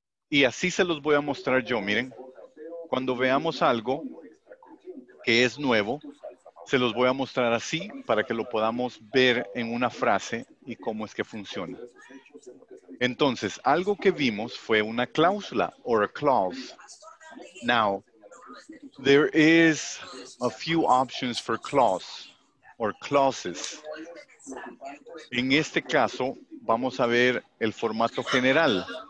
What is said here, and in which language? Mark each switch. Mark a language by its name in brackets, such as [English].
[Spanish] Y así se los voy a mostrar yo, miren. Cuando veamos algo que es nuevo, se los voy a mostrar así para que lo podamos ver en una frase y cómo es que funciona. Entonces, algo que vimos fue una cláusula, [English] or a clause. Now, there is a few options for clause, or clauses. [Spanish] En este caso, vamos a ver el formato general.